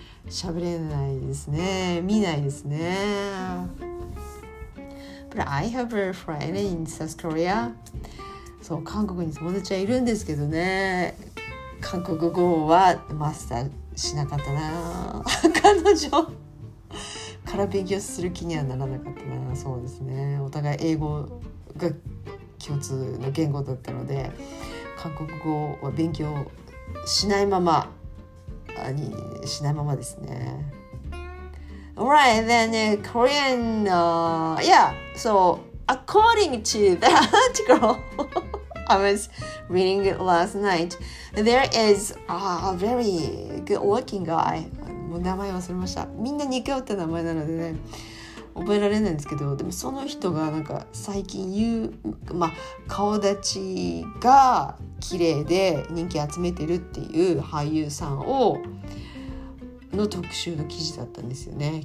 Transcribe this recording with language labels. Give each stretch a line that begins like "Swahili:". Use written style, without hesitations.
Japanese: 喋れないですね。見ないですね。
English: But I have a friend in South Korea.
Japanese: そう、韓国に友達はいるんですけどね。韓国語はマスターしなかったな。彼女から勉強する気にはならなかったな。そうですね。お互い英語が共通の言語だったので、韓国語は勉強しないまま、しないままですね。
English: Alright, then Korean, yeah, so according to the article I was reading it last night, there is a very good looking guy.
Japanese: もう名前忘れました。みんな似通った名前なのでね、覚えられないんですけど、でもその人がなんか最近言う、まあ、顔立ちが綺麗で人気集めてるっていう俳優さんをの特集の記事だったんですよね。